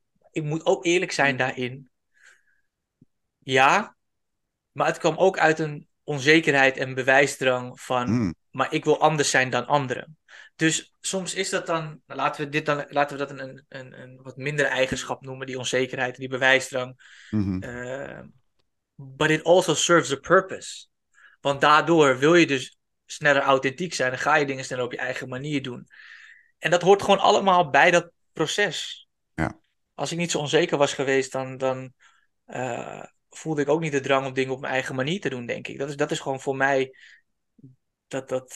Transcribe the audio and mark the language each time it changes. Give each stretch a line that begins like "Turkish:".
Dutch: Ik moet ook eerlijk zijn daarin. Ja, maar het kwam ook uit een onzekerheid en bewijsdrang van... Maar ik wil anders zijn dan anderen. Dus soms is dat dan, laten we dat een wat mindere eigenschap noemen, die onzekerheid, die bewijsdrang.
English: But it also serves a purpose.
Dutch: Want daardoor wil je dus sneller authentiek zijn en ga je dingen sneller op je eigen manier doen. En dat hoort gewoon allemaal bij dat proces. Ja. Als ik niet zo onzeker was geweest, dan voelde ik ook niet de drang om dingen op mijn eigen manier te doen, denk ik. Dat is gewoon voor mij dat.